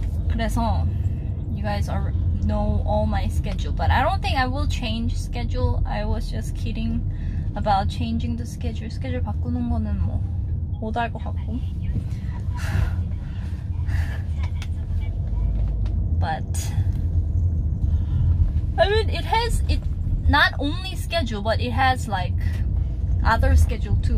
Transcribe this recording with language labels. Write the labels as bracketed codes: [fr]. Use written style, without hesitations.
[ko] 그래서 [en] you guys know all my schedule, but I don't think I will change schedule. I was just kidding. About changing the schedule. [ko] 스케줄 바꾸는 거는 뭐 못 할 것 같고. [en] But I mean, it has it not only schedule, but it has like other schedule too.